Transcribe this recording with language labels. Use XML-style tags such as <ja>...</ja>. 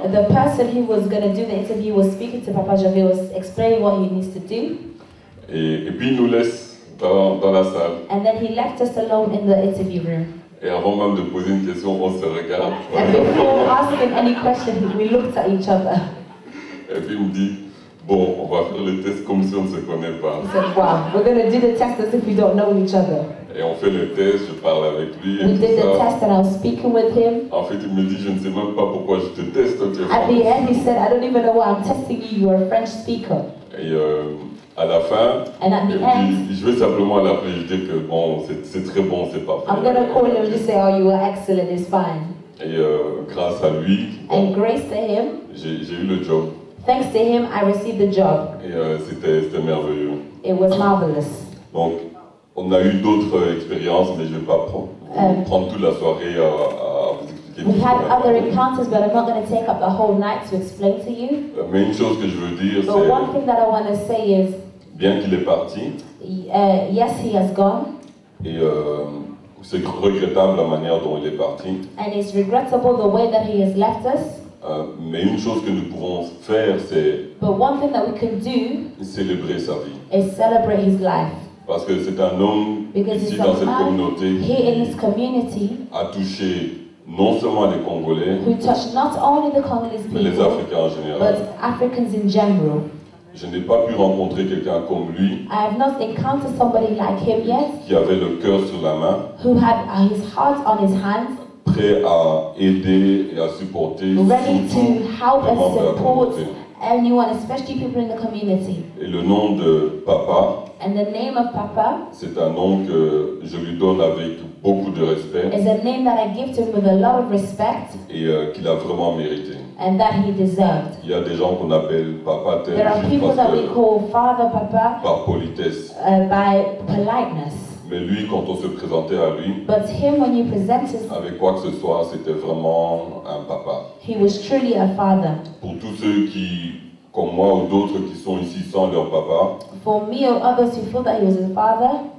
<en>The person who was going to do the interview was speaking to Papa Jean-Pierre, was explaining what he needs to do.</en> <fr>Et puis il nous laisse. Dans la salle.</fr> <en>And then he left us alone in the interview room.</en> <fr>Et avant même de poser une question, on se regarde.</fr> <en>And before asking any question, we looked at each other.</en> <fr>Et puis il me dit, bon, on va faire le test comme si on ne se connaît pas.</fr> <en>He said, wow, we're going to do the test as if we don't know each other.</en> <fr>Et on fait le test, je parle avec lui et</fr> <en>we</en> <fr>tout ça.</fr> <en>We did the test and I was speaking with him.</en> <fr>En fait, il me dit, je ne sais même pas pourquoi je te teste.</fr> <en>At the end, he said, I don't even know why I'm testing you, you're a French speaker.</en> <fr>À la fin,</fr> <en>and at the end,</en> <fr>je vais simplement l'appeler, je dis que bon, c'est très bon, c'est parfait.</fr> <en>I'm gonna call him and just say, oh, you were excellent, it's fine.</en> <fr>Et grâce à lui,</fr> <en>and grace to him,</en> <fr>j'ai eu le job.</fr> <en>Thanks to him, I received the job.</en> <fr>Et c'était merveilleux.</fr> <en>It was marvelous.</en> <fr>Donc, on a eu d'autres expériences, mais je vais pas prendre toute la soirée à vous expliquer.</fr> <en>We had other encounters, but I'm not going to take up the whole night to explain to you.</en> <fr>Mais une chose que je veux dire,</fr> <en>but</en> <fr>c'est.</fr> <en>But one thing that I want to say is.</en> <fr>Bien qu'il est parti.</fr> <en>Yes, he has gone.</en> <fr>Et c'est regrettable la manière dont il est parti.</fr> <en>And it's regrettable the way that he has left us.</en> <fr>Mais une chose que nous pouvons faire, c'est.</fr> <en>But one thing that we can do.</en> <fr>Célébrer sa vie.</fr> <en>Is celebrate his life.</en> <fr>Parce que c'est un homme</fr> <en>because</en> <fr>ici dans cette communauté qui a touché non seulement les Congolais,</fr> <en>who touched not only the Congolese people,</en> <fr>mais les Africains en général.</fr> <en>But Africans in general.</en> <fr>Je n'ai pas pu rencontrer quelqu'un comme lui</fr> <en>I have not encountered somebody like him yet,</en> <fr>qui avait le cœur sur la main,</fr> <en>who had his heart on his hands,</en> <fr>prêt à aider et à supporter</fr> <en>ready to help and support anyone, especially people in the community.</en> <fr>Et le nom de Papa.</fr> <en>And the name of Papa.</en> <fr>C'est un nom que je lui donne avec beaucoup de respect.</fr> <en>Is a name that I give to him with a lot of respect.</en> <fr>Et qu'il a vraiment mérité.</fr> <en>And that he deserved.</en> <fr>Il y a des gens qu'on appelle Papa tel.</fr> <en>There are people that we call Father Papa.</en> <fr>Par politesse.</fr> <en>By politeness.</en> <fr>Mais lui, quand on se présentait à lui.</fr> <en>But him, when you present his.</en> <fr>Avec quoi que ce soit, c'était vraiment un papa.</fr> <en>He was truly a father.</en> <fr>Pour tous ceux qui comme moi ou d'autres qui sont ici sans leur papa.</fr> <en>For me or others who feel that he was a father.</en>